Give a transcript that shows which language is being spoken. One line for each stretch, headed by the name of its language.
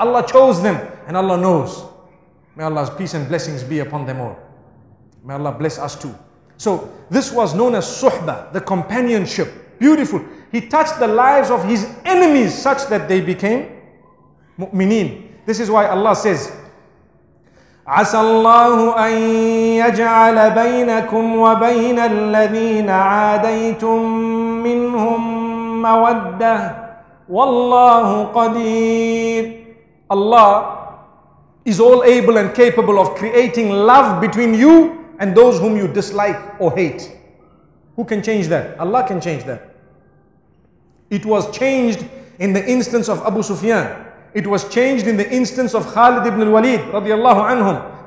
English: Allah chose them and Allah knows. May Allah's peace and blessings be upon them all. May Allah bless us too. So this was known as suhba, the companionship. Beautiful. He touched the lives of his enemies such that they became mu'mineen. This is why Allah says,
Arabic: عَسَى اللَّهُ أَن يَجْعَلَ بَيْنَكُمْ وَبَيْنَ الَّذِينَ عَادَيْتُمْ مِنْهُمْ مَوَدَّةً وَاللَّهُ قَدِيرٌ.
English: Allah is all able and capable of creating love between you and those whom you dislike or hate. Who can change that? Allah can change that. It was changed in the instance of Abu Sufyan. It was changed in the instance of Khalid ibn al-Walid radiallahu anhum.